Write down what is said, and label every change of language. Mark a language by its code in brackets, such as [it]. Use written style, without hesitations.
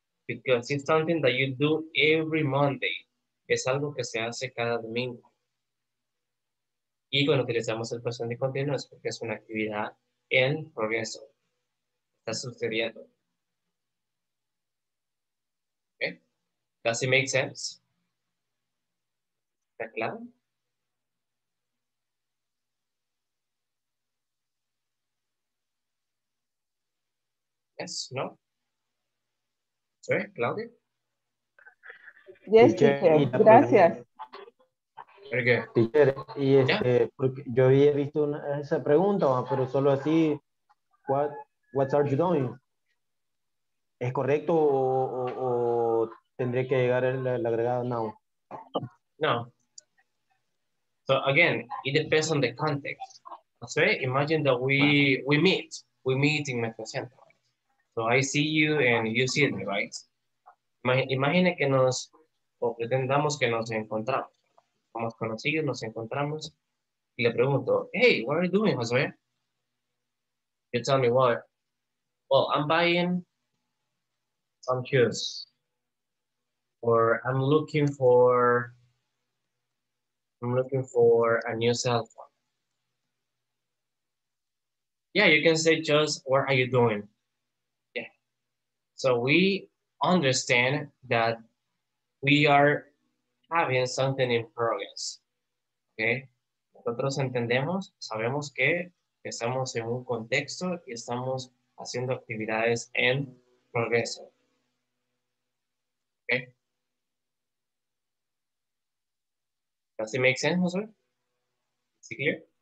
[en] Because it's something that you do every Monday. [es] Es algo que se hace cada domingo. Y cuando utilizamos el presente continuous, porque es una actividad en progreso. Está sucediendo. [en] Okay. Does it make sense? [es] ¿Está claro? [en] Yes, no? Sorry, Claudia? Yes, teacher. Gracias. Very good. [es] Teacher, y este, porque yo había visto una, esa pregunta, pero solo así, [en] what are you doing? [es] ¿Es correcto o tendría que llegar el agregado now? [en] No. So again, it depends on the context. Okay, imagine that we meet in Metro Center. So I see you and you see me, right? [es] Imagine que nos, o pretendamos que nos encontramos. Somos conocidos, nos encontramos. Y le pregunto, [en] hey, what are you doing, Jose? You tell me what? Well, I'm buying some shoes. Or I'm looking for a new cell phone. Yeah, you can say just, what are you doing? So we understand that we are having something in progress. Okay? [es] Nosotros entendemos, sabemos que estamos en un contexto y estamos haciendo actividades en progreso. [en] Okay? Does it make sense, Jose? Is it clear?